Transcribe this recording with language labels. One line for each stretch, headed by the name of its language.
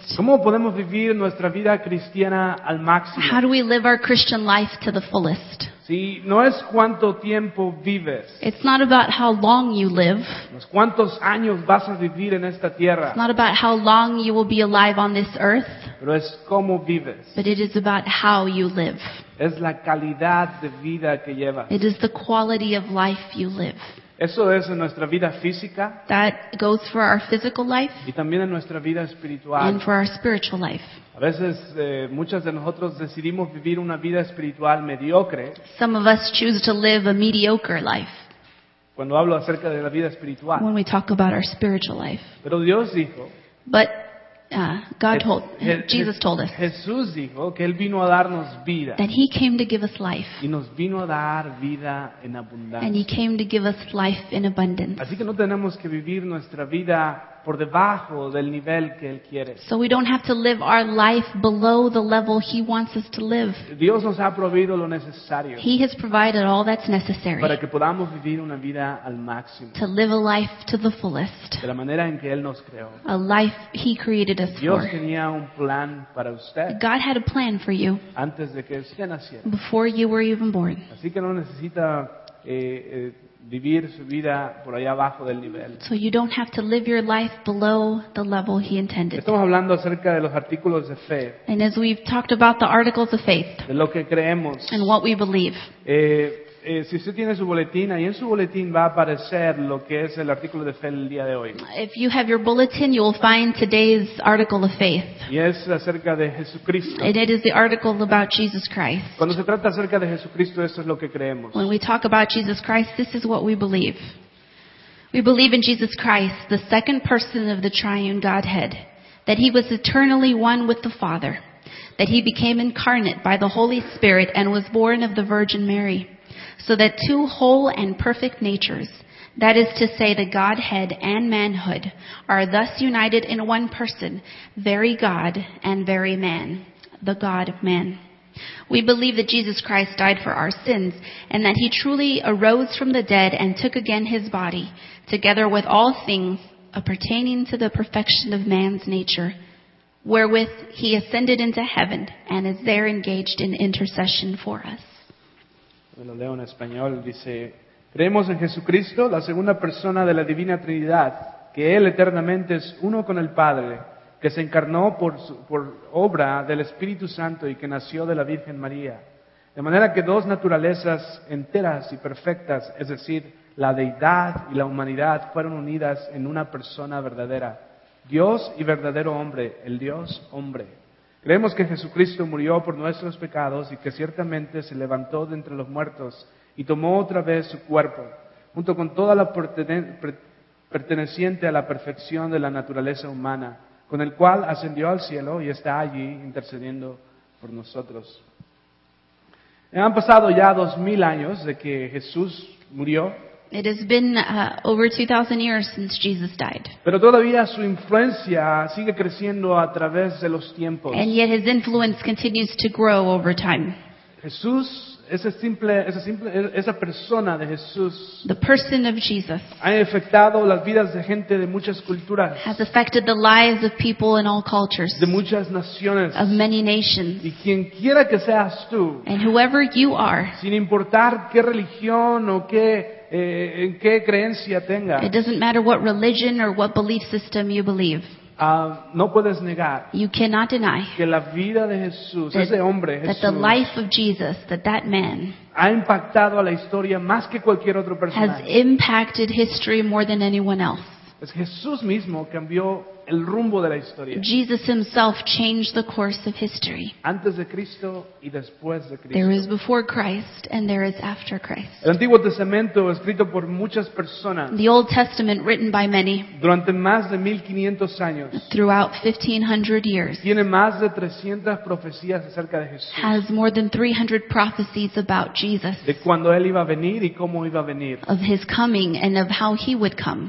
Spanish: ¿Cómo podemos vivir nuestra vida cristiana al máximo?
English: How do we live our Christian life to the fullest?
Spanish: Sí, no es cuánto tiempo vives.
English: It's not about how long you live.
Spanish: No es cuántos años vas a vivir en esta tierra.
English: It's not about how long you will be alive on this earth.
Spanish: Pero es cómo vives.
English: But it is about how you live.
Spanish: Es la calidad de vida que llevas.
English: It is the quality of life you live.
Spanish: Eso es en nuestra vida física.
English: That goes for our physical life.
Spanish: Y también en nuestra vida espiritual.
English: And for our spiritual life.
Spanish: A veces muchas de nosotros decidimos vivir una vida espiritual mediocre.
English: Some of us choose to live a mediocre life.
Spanish: Cuando hablo acerca de la vida espiritual.
English: When we talk about our spiritual life.
Spanish: Pero Dios dijo.
English: But God told, Jesus told us.
Spanish: Jesús dijo que él vino a darnos vida.
English: That he came to give us life.
Spanish: Y nos vino a dar vida en abundancia.
English: And he came to give us life in abundance.
Spanish: Así que no tenemos que vivir nuestra vida por debajo del nivel que él quiere.
English: So we don't have to live our life below the level he wants us to live.
Spanish: Dios nos ha proveído lo necesario.
English: He has provided all that's necessary.
Spanish: Para que podamos vivir una vida al máximo.
English: To live a life to the fullest.
Spanish: De la manera en que él nos creó.
English: A life he created us
Spanish: Dios
English: for.
Spanish: Dios tenía un plan para usted.
English: God had a plan for you.
Spanish: Antes de que usted naciera.
English: Before you were even born.
Spanish: Así que no necesita vivir su vida por allá abajo del nivel.
English: So you don't have to live your life below the level he intended.
Spanish: Estamos hablando acerca de los artículos de fe.
English: And as we've talked about the articles of faith.
Spanish: De lo que creemos.
English: And what we believe.
Spanish: Si usted tiene su boletín, ahí en su boletín va a aparecer lo que es el artículo de fe el día de hoy.
English: If you have your bulletin, you will find today's article of faith.
Spanish: Y es acerca de Jesucristo.
English: And it is the article about Jesus Christ.
Spanish: Cuando se trata acerca de Jesucristo, eso es lo que creemos.
English: When we talk about Jesus Christ, this is what we believe. We believe in Jesus Christ, the second person of the triune Godhead, that he was eternally one with the Father, that he became incarnate by the Holy Spirit and was born of the Virgin Mary, so that two whole and perfect natures, that is to say the Godhead and manhood, are thus united in one person, very God and very man, the God-man. We believe that Jesus Christ died for our sins, and that he truly arose from the dead and took again his body, together with all things appertaining to the perfection of man's nature, wherewith he ascended into heaven and is there engaged in intercession for us.
Spanish: Lo leo en español, dice, creemos en Jesucristo, la segunda persona de la Divina Trinidad, que Él eternamente es uno con el Padre, que se encarnó por obra del Espíritu Santo y que nació de la Virgen María. De manera que dos naturalezas enteras y perfectas, es decir, la Deidad y la humanidad, fueron unidas en una persona verdadera. Dios y verdadero hombre, el Dios hombre. Creemos que Jesucristo murió por nuestros pecados y que ciertamente se levantó de entre los muertos y tomó otra vez su cuerpo, junto con toda la perteneciente a la perfección de la naturaleza humana, con el cual ascendió al cielo y está allí intercediendo por nosotros. Han pasado ya 2,000 años de que Jesús murió.
English: It has been over 2,000 years since Jesus died.
Spanish: Pero todavía su influencia sigue creciendo a través de los tiempos.
English: And yet his influence continues to grow over time.
Spanish: Jesús, esa persona de Jesús,
English: the person of Jesus,
Spanish: ha afectado las vidas de gente de muchas culturas,
English: has affected the lives of people in all cultures,
Spanish: de muchas naciones,
English: of many nations.
Spanish: Y quienquiera que seas tú,
English: and whoever you are,
Spanish: sin importar qué religión o qué en qué creencia tenga,
English: it doesn't matter what religion or what belief system you believe.
Spanish: No puedes negar,
English: you cannot deny,
Spanish: que la vida de Jesús, that, ese hombre, Jesús,
English: that the life of Jesus, that man,
Spanish: ha impactado a la historia más que cualquier otro personaje.
English: Has impacted history more than anyone else.
Spanish: Pues Jesús mismo cambió el rumbo de la historia.
English: Jesus himself changed the course of history.
Spanish: Antes de Cristo y después de Cristo.
English: There is before Christ and there is after Christ.
Spanish: El Antiguo Testamento escrito por muchas personas.
English: The Old Testament written by many.
Spanish: Durante más de 1500 años.
English: Throughout 1500 years.
Spanish: Tiene más de 300 profecías acerca de Jesús.
English: Has more than 300 prophecies about Jesus.
Spanish: De cuando él iba a venir y cómo iba a venir.
English: Of his coming and of how he would come.